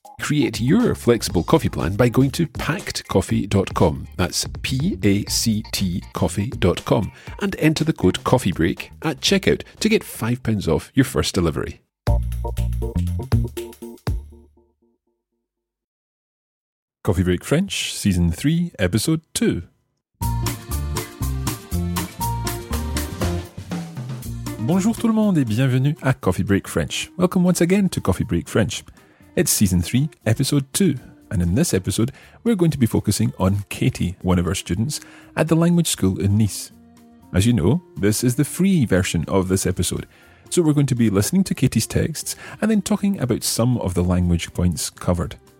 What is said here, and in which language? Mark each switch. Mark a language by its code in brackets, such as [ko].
[en] Create your flexible coffee plan by going to pactcoffee.com, that's pactcoffee.com, and enter the code COFFEEBREAK at checkout to get £5 off your first delivery. Coffee Break French, Season 3, Episode 2. [fr] Bonjour tout le monde et bienvenue à Coffee Break French. [en] Welcome once again to Coffee Break French. It's Season 3, Episode 2, and in this episode, we're going to be focusing on Katie, one of our students, at the language school in Nice. As you know, this is the free version of this episode, so we're going to be listening to Katie's texts and then talking about some of the language points covered.